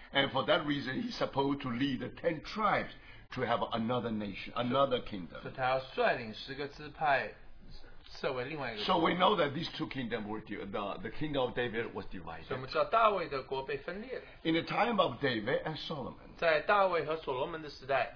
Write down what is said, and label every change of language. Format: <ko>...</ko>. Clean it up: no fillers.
<en>And for that reason, he's supposed to lead the 10 tribes to have another nation, another kingdom.</en> <zh>所以他要率领十个支派设为另外一个国。</zh> <en>So we know that these two kingdoms were the kingdom of David was divided.</en> <zh>所以我们知道大卫的国被分裂了。</zh> <en>In the time of David and Solomon,</en> <zh>在大卫和所罗门的时代,</zh>